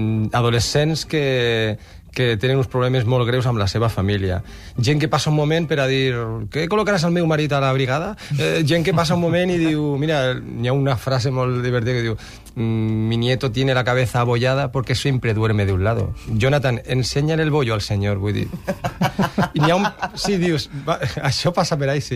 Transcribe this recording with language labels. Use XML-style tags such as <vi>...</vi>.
<ca>Adolescents que tenen uns problemes molt greus amb la seva família. Gent que passa un moment per a dir què col·locaràs el meu marit a la brigada? Gent que passa un moment i diu... Mira, hi ha una frase molt divertida que diu</ca> <es>mi nieto tiene la cabeza abollada porque siempre duerme de un lado.</es> <ca>Jonathan, ensenya'l el bollo al senyor, vull dir. I hi ha un... Sí, dius, va, això passa per ahí, sí.</ca>